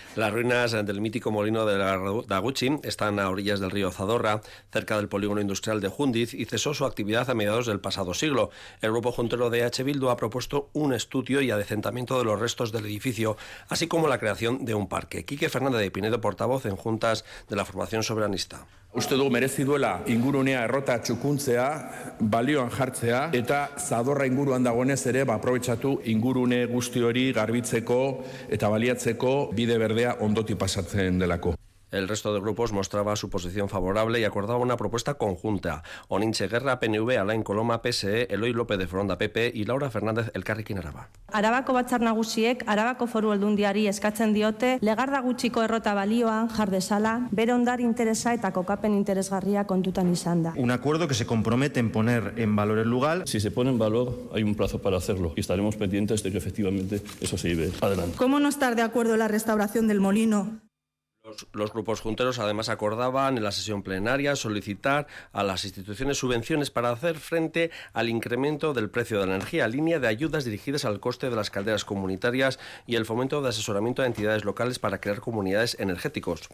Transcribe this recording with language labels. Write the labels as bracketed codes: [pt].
[es] Las ruinas del mítico molino de Legardaguchi están a orillas del río Zadorra, cerca del polígono industrial de Jundiz, y cesó su actividad a mediados del pasado siglo. El Grupo Juntero de H. Bildu ha propuesto un estudio y adecentamiento de los restos del edificio, así como la creación de un parque. Quique Fernández de Pinedo, portavoz en Juntas de la Formación Soberanista. [eu] Uste dugu merezi duela ingurunea errota txukuntzea, balioan jartzea, eta Zadorra inguruan dagoenez ere aprobetxatu ingurune guzti hori garbitzeko eta baliatzeko bide berdea ondoti pasatzen delako. [es] El resto de grupos mostraba su posición favorable y acordaba una propuesta conjunta. Oninche Guerra, PNV, Alain Coloma, PSE, Eloy López de Foronda, PP y Laura Fernández, Elkarrekin Araba. [eu] Arabako batzar nagusiek, Arabako foru aldundiari eskatzen diote, Legardagutxiko errota balioan jar dezala, bere ondar interesa eta kokapen interesgarria kontutan izan da. [es] Un acuerdo que se compromete en poner en valor el lugar. Si se pone en valor, hay un plazo para hacerlo y estaremos pendientes de que efectivamente eso se lleve adelante. ¿Cómo no estar de acuerdo en la restauración del molino? Los grupos junteros además acordaban en la sesión plenaria solicitar a las instituciones subvenciones para hacer frente al incremento del precio de la energía, línea de ayudas dirigidas al coste de las calderas comunitarias y el fomento de asesoramiento a entidades locales para crear comunidades energéticos.